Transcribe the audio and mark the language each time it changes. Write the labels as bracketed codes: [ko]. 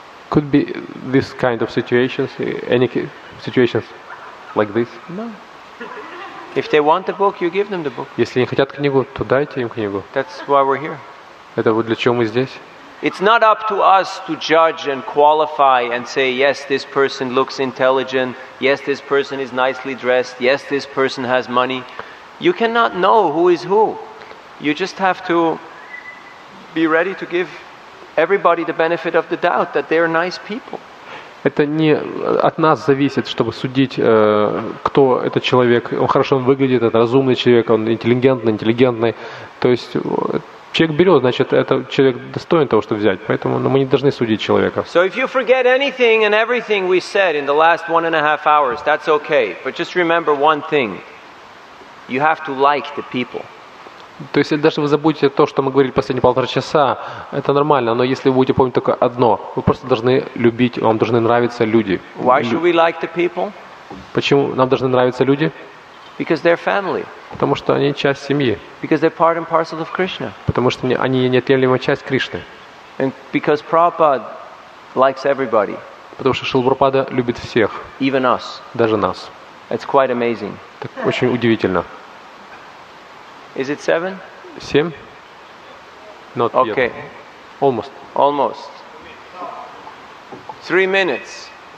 [en] Could be this kind of situations, any situations like this? No. If they want the book, you give them the book. [ru] Если они хотят книгу, то дайте им книгу. [en] That's why we're here. [ru] Это вот для чего мы здесь. [en] It's not up to us to judge and qualify and say, yes, this person looks intelligent, yes, this person is nicely dressed, yes, this person has money. You cannot know who is who. You just have to be ready to give everybody the benefit of the doubt that they are nice people. [ru] Это не от нас зависит, чтобы судить, кто этот человек. Он хорошо выглядит, это разумный человек, он интеллигентный. То есть... Человек берет, значит, это человек достоин того, чтобы взять. Поэтому мы не должны судить человека. [en] So if you forget anything and everything we said in the last 1.5 hours, that's okay. But just remember one thing. You have to like the people. [ru] То есть, если даже вы забудете то, что мы говорили последние 1.5 часа, это нормально. Но если вы будете помнить только одно, вы просто должны любить, вам должны нравиться люди. [en] Why should we like the people? [ru] Почему нам должны нравиться люди? [en] Because they're family. [ru] Потому что они часть семьи. [en] Because they're part and parcel of Krishna. [ru] Потому что они неотъемлемая часть Кришны. [en] And because Prabhupada likes everybody. [ru] Потому что Шрила Прабхупада любит всех. [en] Even us. [ru] Даже нас. [en] It's quite amazing. [ru] Так очень удивительно. [en] Is it 7? 7? Not okay. Yet. Almost. Almost. 3 minutes.